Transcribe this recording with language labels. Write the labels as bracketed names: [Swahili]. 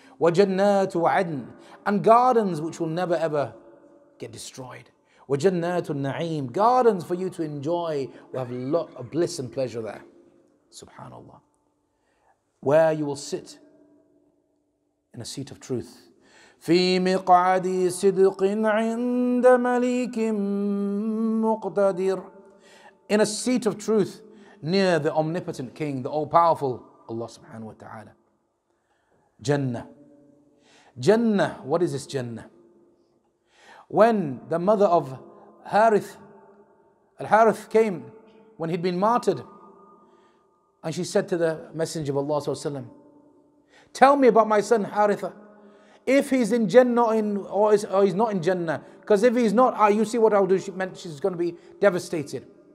[Arabic] وجنات وعدن, [English] and gardens which will never ever get destroyed. [Arabic] وجنات النعيم, [English] gardens for you to enjoy, will have a lot of bliss and pleasure there. Subhanallah. Where you will sit in a seat of truth. [Arabic] في مقعد صدق عند مليك مقتدر, [English] in a seat of truth near the omnipotent King, the all-powerful Allah subhanahu wa ta'ala. Jannah. Jannah, what is this Jannah? When the mother of Harith, Al-Harith came, when he'd been martyred, and she said to the Messenger of Allah sallallahu alayhi wa sallam, tell me about my son Haritha, if he's in Jannah or he's not in Jannah, because if he's not, you see what I'll do, she meant she's going to be devastated.